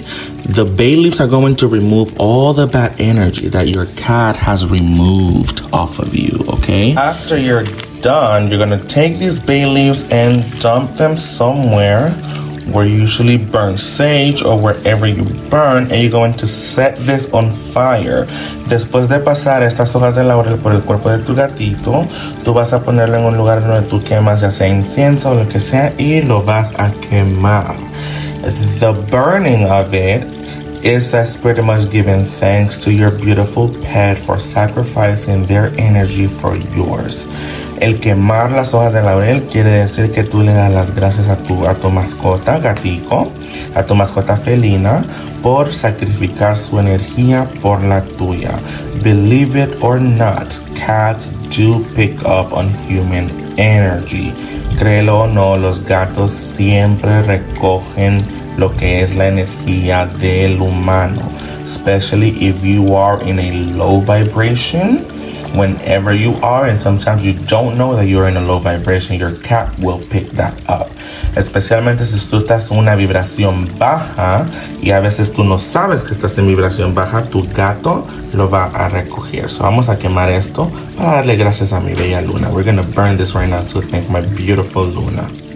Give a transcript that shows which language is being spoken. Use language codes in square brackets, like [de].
[en] The bay leaves are going to remove all the bad energy that your cat has removed off of you, okay? After you're done, you're going to take these bay leaves and dump them somewhere where you usually burn sage or wherever you burn, and you're going to set this on fire. [es] Después de pasar estas hojas de laurel por el cuerpo de tu gatito, tú vas a ponerlo en un lugar donde tú quemas, ya sea incienso o lo que sea, y lo vas a quemar. [en] The burning of it is that's pretty much giving thanks to your beautiful pet for sacrificing their energy for yours. [es] El quemar las hojas de laurel quiere decir que tú le das las gracias a tu mascota gatico, a tu mascota felina, por sacrificar su energía por la tuya. [en] Believe it or not, cats do pick up on human energy. [es] Créelo o no, los gatos siempre recogen lo que es la energía del humano. [en] Especially if you are in a low vibration. Whenever you are, and sometimes you don't know that you're in a low vibration, your cat will pick that up. [es] Especialmente si tú estás en una vibración baja, y a veces tú no sabes que estás en vibración baja, tu gato lo va a recoger. So vamos a quemar esto para darle gracias a mi bella Luna. [en] We're going to burn this right now to thank my beautiful Luna.